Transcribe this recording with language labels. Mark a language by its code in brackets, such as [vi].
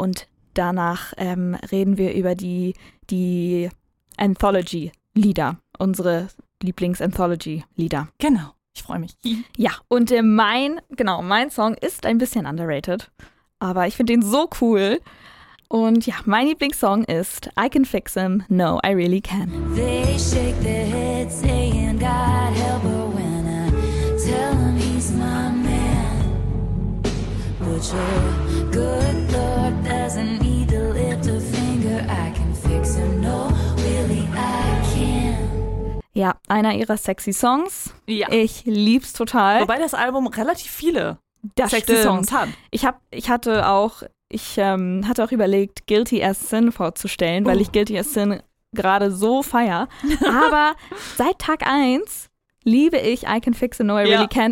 [de] Und danach reden wir über die Anthology-Lieder, unsere Lieblings-Anthology-Lieder. Genau, ich freue mich. Ja, und mein Song ist ein bisschen underrated, aber ich finde den so cool. Und ja, mein Lieblingssong ist I Can Fix Him, No, I Really Can. [en] They shake their heads saying God help her when I tell him he's my man. But your good Lord doesn't need to lift a finger. I can fix him, no, really I can. [de] Ja, einer ihrer sexy Songs. Ja. Ich lieb's total. Wobei das Album relativ viele das sexy stimmt. Songs hat. Ich hatte auch überlegt, Guilty as Sin vorzustellen, weil ich Guilty as Sin gerade so feier. Aber seit Tag 1 liebe ich I Can Fix It, No, I Really Can.